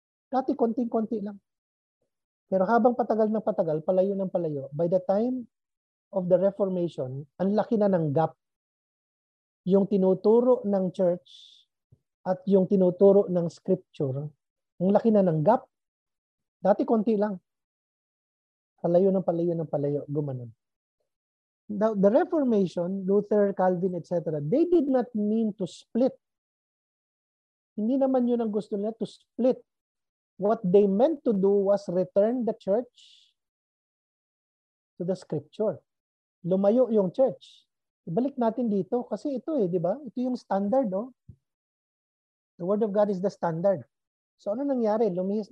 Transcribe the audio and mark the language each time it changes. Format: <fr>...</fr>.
<tl>Dati, konting-konti lang. Pero habang patagal ng patagal, palayo ng palayo,</tl> <en>by the time of the Reformation,</en> <tl>ang laki na ng gap yung tinuturo ng church at yung tinuturo ng scripture. Ang laki na ng gap. Dati konti lang. Palayo ng palayo, gumanon.</tl> <en>Now, the Reformation, Luther, Calvin, etc., they did not mean to split.</en> <tl>Hindi naman yun ang gusto nila,</tl> <en>to split. What they meant to do was return the church to the scripture.</en> <tl>Lumayo yung church. Ibalik natin dito kasi ito eh, di ba? Ito yung</tl> <en>standard, no? The word of God is the standard.</en> <tl>So ano nangyari? Lumihis.</tl>